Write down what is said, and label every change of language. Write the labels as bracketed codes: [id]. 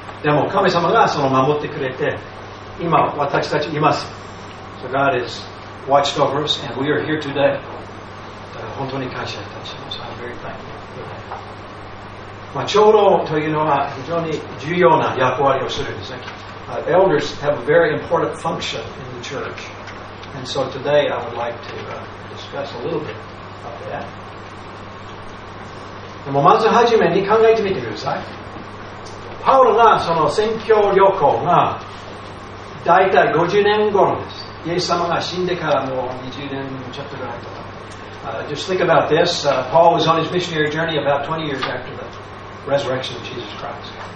[ja] でも神様がその守ってくれて今私たちいます。 [en] So God has watched over us and we are here today。 [ja] だから本当に感謝いたします。 [en] I'm very thankful。 [ja] まあ、長老というのは非常に重要な役割をするんですね。 [en] Elders have a very important function in the church. And so today I would like to discuss a little bit of that. [ja] でもまずはじめに考えてみてください。パウロがその宣教旅行がだいたい50年頃です。イエス様が死んでからもう20年ちょっとぐらいとか。 [en] Just think about this. Paul was on his missionary journey about 20 years after theResurrection of Jesus Christ。